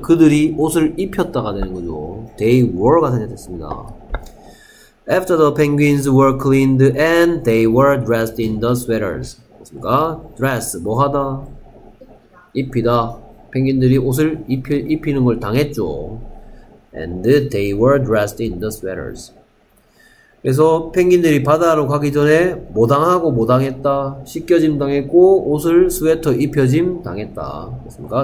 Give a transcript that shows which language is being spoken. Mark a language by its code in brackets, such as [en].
[ko] 그들이 옷을 입혔다가 되는 거죠. they were가 생략됐습니다. [en] After the penguins were cleaned and they were dressed in the sweaters. [ko] 그렇습니까? dress 뭐 하다? 입히다. 펭귄들이 옷을 입히는 걸 당했죠. [en] and they were dressed in the sweaters. [ko] 그래서 펭귄들이 바다로 가기 전에 모당하고 모당했다. 씻겨짐 당했고 옷을 스웨터 입혀짐 당했다. 그렇습니까?